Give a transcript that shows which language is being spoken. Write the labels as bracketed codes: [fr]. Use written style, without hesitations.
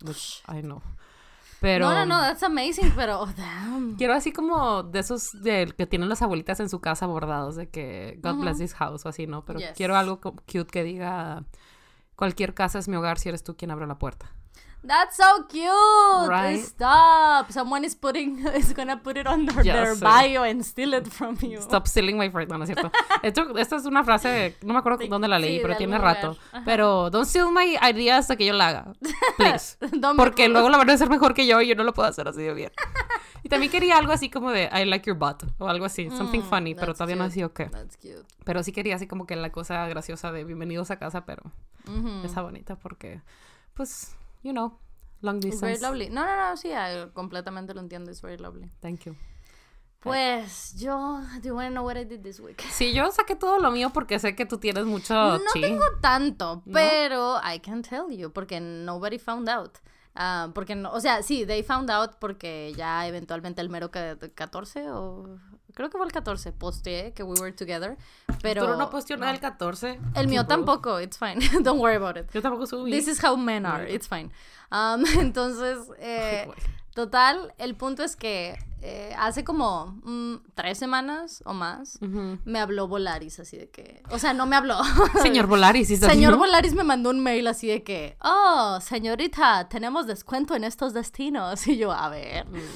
[en] Which, I know. Pero, no, that's amazing, pero oh, damn. [es] Quiero así como de esos de que tienen las abuelitas en su casa bordados, de que God uh-huh. [en] bless this house [es] o así, ¿no? Pero yes. Quiero algo cute que diga, cualquier casa es mi hogar si eres tú quien abre la puerta. [en] That's so cute, right? Stop, someone is gonna put it on their bio and steal it from you. Stop stealing my friend, [es] no, no es cierto. Esta es una frase, no me acuerdo dónde la leí, sí, pero tiene rato. Pero [en] don't steal my idea [es] hasta que yo la haga, please. Porque luego la van a hacer mejor que yo y yo no lo puedo hacer así de bien. Y también quería algo así como de [en] I like your butt [es] o algo así, [en] something funny, [es] pero todavía [en] cute. [es] No ha sido qué. [en] Okay. [es] Pero sí quería así como que la cosa graciosa de bienvenidos a casa, pero mm-hmm. está bonita porque, pues... [en] You know, long distance. Very lovely. [es] No, sí, completamente lo entiendo. [en] It's very lovely. Thank you. [es] Pues, yo... [en] Do you want to know what I did this week? [es] Sí, yo saqué todo lo mío porque sé que tú tienes mucho chi. No tengo tanto, pero [en] I can tell you porque nobody found out. [es] Porque, no, o sea, sí, [en] they found out [es] porque ya eventualmente el mero 14 o... Creo que fue el 14, posteé que [en] we were together, [es] pero... Pero no posteó nada el 14. El mío tampoco, [en] it's fine, don't worry about it. [es] Yo tampoco subí. [en] This is how men are, it's fine. [es] Entonces, total, el punto es que hace como 3 semanas o más, me habló Volaris, así de que... O sea, no me habló. Señor Volaris, ¿sí? Señor Volaris me mandó un mail así de que, oh, señorita, tenemos descuento en estos destinos. Y yo, a ver...